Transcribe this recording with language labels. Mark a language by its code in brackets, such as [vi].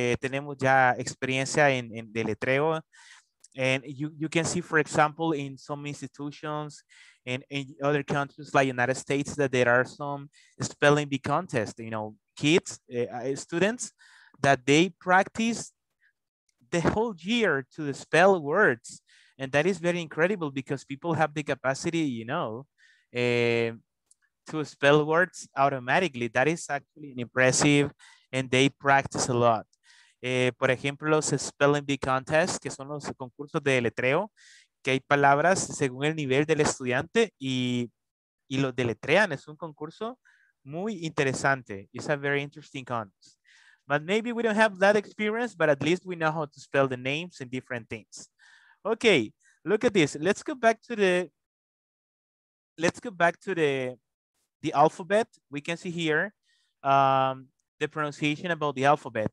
[es] Tenemos ya experiencia en deletreo. [en] And you can see, for example, in some institutions and in other countries like United States, that there are some spelling bee contests, you know, kids, students, that they practice the whole year to spell words. And that is very incredible because people have the capacity, you know, to spell words automatically. That is actually impressive and they practice a lot. [es] Por ejemplo, los spelling bee contests, que son los concursos de deletreo, que hay palabras según el nivel del estudiante y los deletrean. Es un concurso muy interesante. [en] It's a very interesting contest. But maybe we don't have that experience, but at least we know how to spell the names and different things. Okay, look at this. Let's go back to the alphabet. We can see here the pronunciation about the alphabet.